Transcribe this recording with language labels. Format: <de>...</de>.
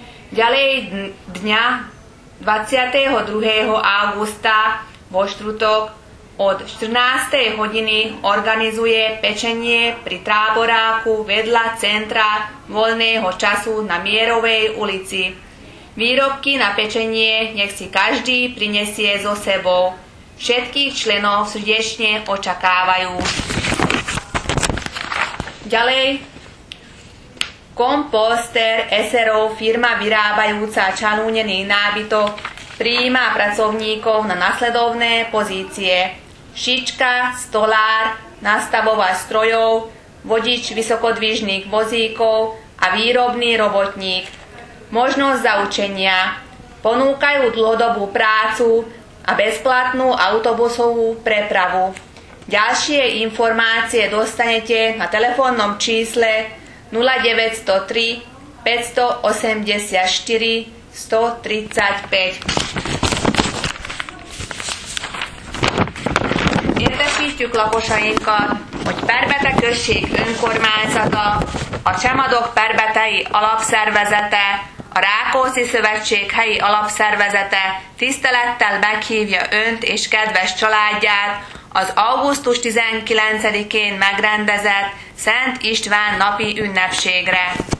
<sk>Ďalej dňa 22. augusta vo štvrtok od 14. hodiny organizuje pečenie pri táboráku vedľa centra voľného času na Mierovej ulici. Výrobky na pečenie nech si každý prinesie so sebou. Všetkých členov srdečne očakávajú. Ďalej, Komposter SRO, firma vyrábajúca čanúnený nábytok, prijíma pracovníkov na nasledovné pozície. Šička, stolár, nastavovač strojov, vodič vysokodvižných vozíkov a výrobný robotník. Možnosť zaučenia. Ponúkajú dlhodobú prácu a bezplatnú autobusovú prepravu. Ďalšie informácie dostanete na telefónnom čísle 0903 584 135.</sk> <hu>Értesítjük lakosainkat, hogy Pribeta község önkormányzata, a Csemadok Pribetei alapszervezete, a Rákóczi Szövetség helyi alapszervezete tisztelettel meghívja önt és kedves családját az augusztus 19-én megrendezett Szent István napi ünnepségre.</hu>